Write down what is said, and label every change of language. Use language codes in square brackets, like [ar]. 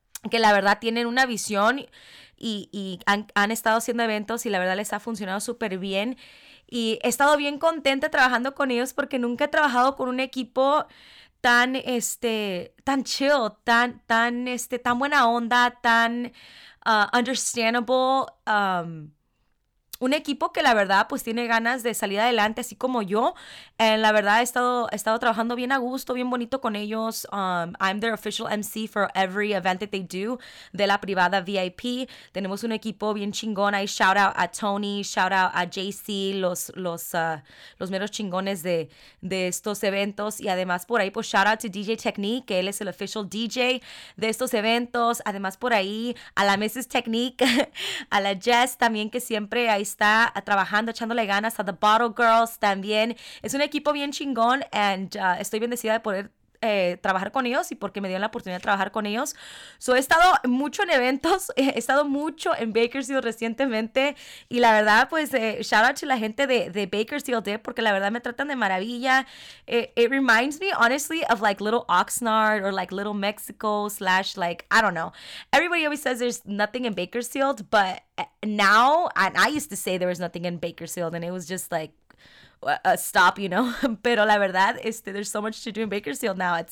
[es] que la verdad tienen una visión y han estado haciendo eventos, y la verdad les ha funcionado súper bien, y he estado bien contenta trabajando con ellos porque nunca he trabajado con un equipo tan tan chill, tan buena onda, tan understandable, un equipo que la verdad pues tiene ganas de salir adelante así como yo. La verdad he estado trabajando bien a gusto, bien bonito con ellos. [en] I'm their official MC for every event that they do, de La Privada VIP. [es] Tenemos un equipo bien chingón ahí. Shout out a Tony, shout out a JC, los meros chingones de estos eventos. Y además por ahí, pues shout out to DJ Technique, que él es el official DJ de estos eventos. Además por ahí a la Mrs. Technique, a la Jess también, que siempre ahí está trabajando, echándole ganas, a The Bottle Girls también. Es un equipo bien chingón, and estoy bendecida de poder trabajar con ellos y porque me dieron la oportunidad de trabajar con ellos. So, he estado mucho en eventos, he estado mucho en Bakersfield recientemente y la verdad, pues, shout out to la gente de Bakersfield, porque la verdad me tratan de maravilla. [en] It reminds me, honestly, of like Little Oxnard or like Little Mexico slash like, I don't know. Everybody always says there's nothing in Bakersfield, but now, and I used to say there was nothing in Bakersfield and it was just like, stop, you know, [es] pero la verdad es que [en] there's so much to do in Bakersfield now.